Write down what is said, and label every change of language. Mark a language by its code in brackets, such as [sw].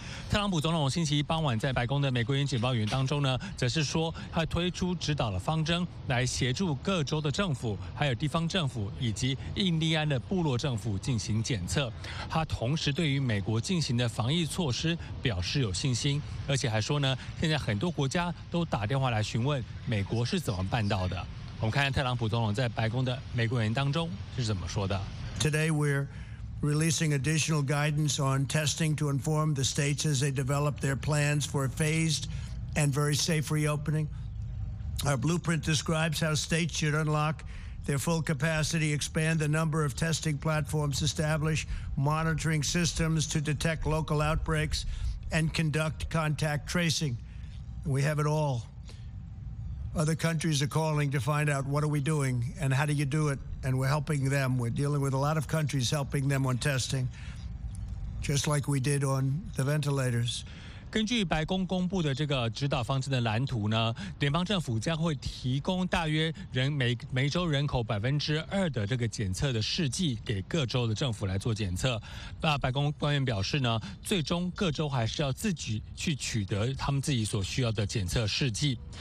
[zh] 特朗普总统星期一傍晚在白宫的玫瑰园简报员当中呢，则是说他推出指导的方针，来协助各州的政府、还有地方政府以及印第安的部落政府进行检测。他同时对于美国进行的防疫措施表示有信心，而且还说呢，现在很多国家都打电话来询问美国是怎么办到的。我们看看特朗普总统在白宫的玫瑰园当中是怎么说的。 [en] Today we're releasing additional guidance on testing to inform the states as they develop their plans for a phased and very safe reopening. Our blueprint describes how states should unlock their full capacity, expand the number of testing platforms, establish monitoring systems to detect local outbreaks, and conduct contact tracing. We have it all. Other countries are calling to find out what are we doing and how do you do it? And we're helping them. We're dealing with a lot of countries helping them on testing, just like we did on the ventilators. [zh] 根据白宫公布的这个指导方针的蓝图呢，联邦政府将会提供大约每周人口2%的这个检测的试剂给各州的政府来做检测。那白宫官员表示呢，最终各州还是要自己去取得他们自己所需要的检测试剂。